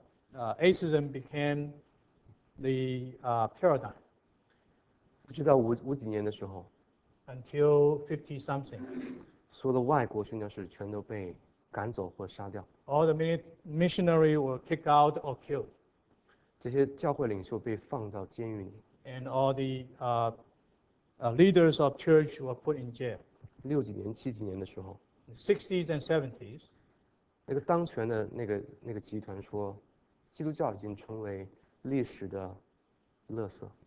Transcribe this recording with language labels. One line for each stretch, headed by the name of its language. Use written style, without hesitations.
English: Atheism became the paradigm
Chinese: 不知道五几年的时候，
English: until 50 something.
Chinese: 所有的外国宣教士全都被赶走或杀掉，
English: All the missionary were kicked out or killed.
Chinese: 这些教会领袖被放到监狱里。
English: And all the leaders of church were put in jail.
Chinese: 六几年、七几年的时候，
English: 60s and 70s,
Chinese: 那个当权的那个集团说，基督教已经成为历史的垃圾。